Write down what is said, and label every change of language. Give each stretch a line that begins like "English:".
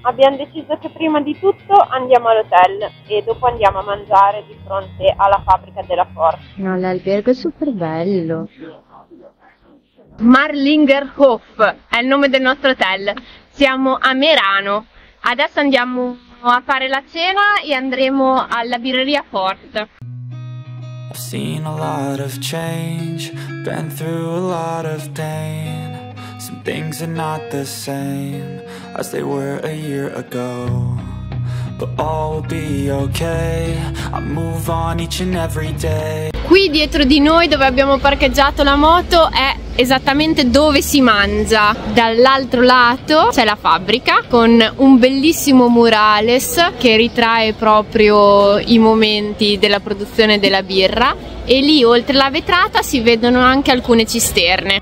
Italian: Abbiamo deciso che prima di tutto andiamo all'hotel e dopo andiamo a mangiare di fronte alla fabbrica della Ford. No, l'albergo è super bello. Marlingerhof è il nome del nostro hotel. Siamo a Merano. Adesso andiamo a fare la cena e andremo alla birreria Ford.
English: I've seen a lot of change, been through a lot of pain. Some things are not the same as they were a year ago, but all will be okay. I move on each and every day.
Italian: Qui dietro di noi, dove abbiamo parcheggiato la moto, è esattamente dove si mangia. Dall'altro lato c'è la fabbrica con un bellissimo murales che ritrae proprio i momenti della produzione della birra. E lì, oltre la vetrata, si vedono anche alcune cisterne.